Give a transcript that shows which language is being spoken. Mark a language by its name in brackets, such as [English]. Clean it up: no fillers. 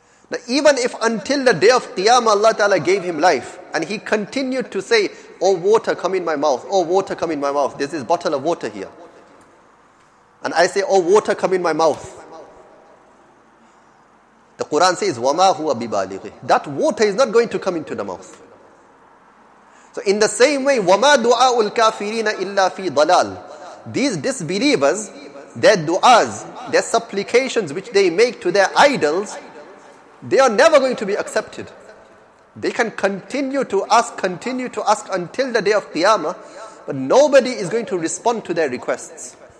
[English] Now even if until the day of Qiyamah Allah Ta'ala gave him life and he continued to say, oh water, come in my mouth, oh water, come in my mouth. There's this bottle of water here. And I say, oh water, come in my mouth. The Quran says, [Arabic] وَمَا هُوَ بِبَالِغِهِ. [English] That water is not going to come into the mouth. So in the same way, [Arabic] وَمَا دُعَاءُ الْكَافِرِينَ إِلَّا فِي ضَلَالٍ. [English] These disbelievers, their du'as, their supplications which they make to their idols, they are never going to be accepted. They can continue to ask until the day of Qiyamah, but nobody is going to respond to their requests.